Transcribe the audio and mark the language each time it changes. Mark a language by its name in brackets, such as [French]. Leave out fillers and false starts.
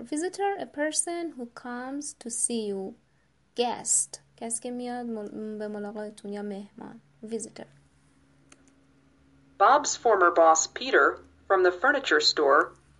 [English] Visitor, a person who comes to see you. Guest. [Persian] کسی که میاد به ملاقاتتون یا مهمان. [English] Visitor. Bob's former boss, Peter, from the furniture store.